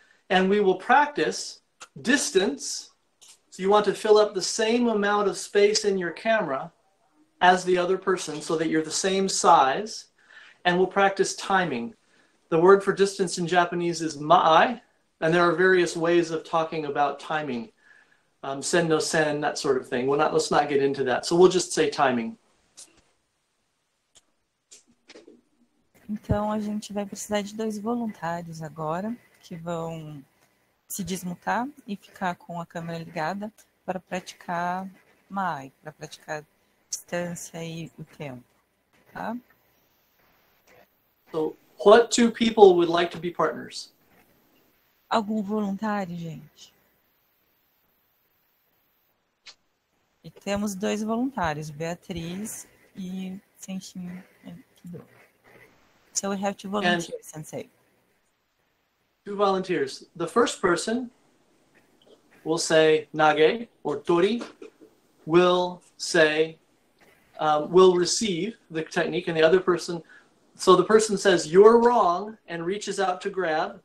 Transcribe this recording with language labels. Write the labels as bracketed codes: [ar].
[en] And we will practice distance. So you want to fill up the same amount of space in your camera as the other person so that you're the same size. And we'll practice timing. The word for distance in Japanese is ma'ai. And there are various ways of talking about timing. Sen no sen, that sort of thing. Let's not get into that. So we'll just say timing. [pt] Então, a gente vai precisar de dois voluntários agora, que vão se desmutar e ficar com a câmera ligada para praticar mai, para praticar distância e o tempo, tá? [en] So, what two people would like to be partners? [pt] Algum voluntário, gente? E temos dois voluntários, Beatriz e Senshin Kido. [en] So we have two volunteers, and Sensei. Two volunteers. The first person will say nage or tori, will say, will receive the technique, and the other person, so the person says you're wrong and reaches out to grab.